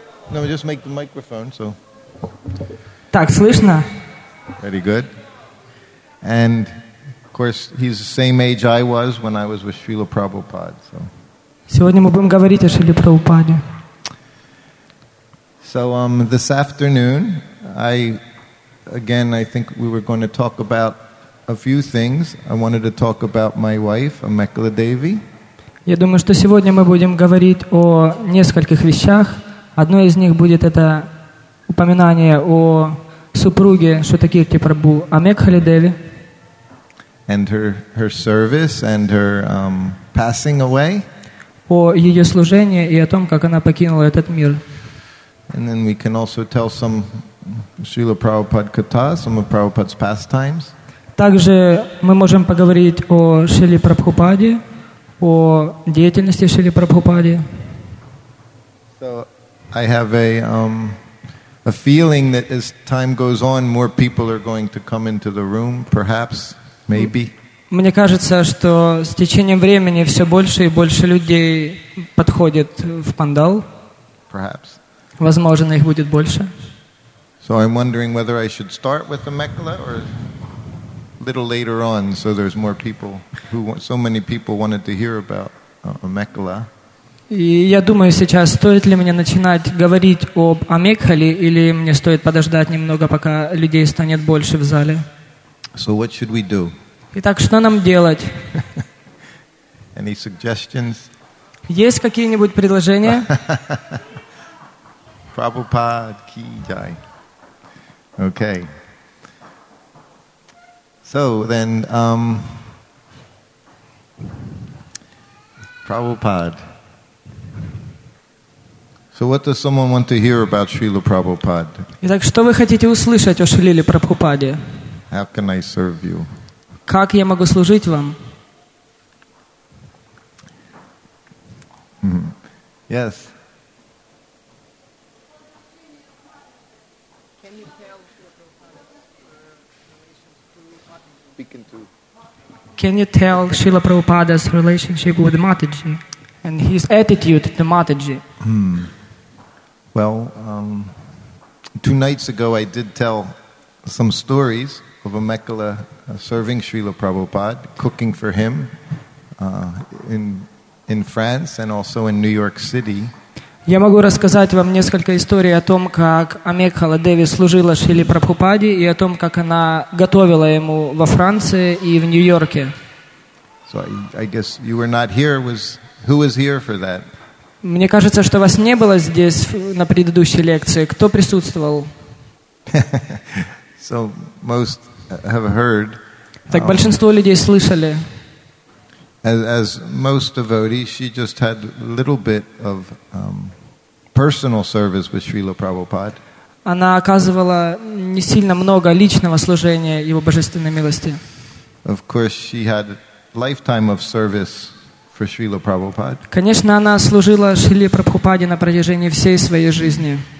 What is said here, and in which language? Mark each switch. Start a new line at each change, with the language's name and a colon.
English: No, just make the microphone so.
Russian: Так, слышно?
English: Very good. And of course, he's the same age I was when I was with Srila Prabhupada. So.
Russian: Сегодня мы будем говорить о Шриле Прабхупаде.
English: So this afternoon, I think we were going to talk about a few things. I wanted to talk about my wife, Amekala Devi.
Russian: Я думаю, что сегодня мы будем говорить о нескольких вещах. Одно из них будет это упоминание о супруге Шутакирти Прабху, Амекхали Деви.
English: And her service and her passing away.
Russian: О ее служении и о том, как она покинула этот мир.
English: And then we can also tell some Srila Prabhupada katha, some of Prabhupada's pastimes.
Russian: Также мы можем поговорить о Шриле Прабхупаде, о деятельности Шриле Прабхупаде.
English: So I have a feeling that as time goes on, more people are going to come into the room, perhaps, maybe.
Russian: Мне кажется, что с течением времени все больше и больше людей подходит в пандал.
English: Perhaps.
Russian: Возможно, их будет больше.
English: So I'm wondering whether I should start with the Mekla or a little later on, so there's more people who want, so many people wanted to hear about Amekhala.
Russian: И я думаю сейчас, стоит ли мне начинать говорить об Амекхале, или мне стоит подождать немного, пока людей станет больше в зале.
English: So what should we do?
Russian: Итак, что нам делать?
English: Any suggestions?
Russian: Есть какие-нибудь предложения?
Hindi: Prabhupada ki jai.
English: Okay. So then, Prabhupada. So what does someone want to hear about Srila Prabhupada?
Russian: Итак, что вы хотите услышать о Шриле Прабхупаде?
English: How can I serve you?
Russian: Как я могу служить вам?
English: Yes. Can you tell Srila Prabhupada's relationship with Mataji and his attitude to Mataji? Well, two nights ago I did tell some stories of Amekhala serving Srila Prabhupada, cooking for him in France and also in New York City.
Russian: Я могу рассказать вам несколько историй о том, как Амекхала Деви служила Шриле Прабхупаде и о том, как она готовила ему во Франции и в Нью-Йорке.
English: So I guess you were not here. Who was here for that?
Russian: Мне кажется, что вас не было здесь на предыдущей лекции. Кто присутствовал?
English: So most have heard.
Russian: Так большинство людей слышали.
English: As most devotees, she just had a little bit of personal service with Srila Prabhupada.
Russian: Она оказывала не сильно много личного служения его божественной милости.
English: Of course, she had a lifetime of service for Srila Prabhupada.
Russian: Конечно, она служила Шриле Прабхупаде на протяжении всей своей жизни.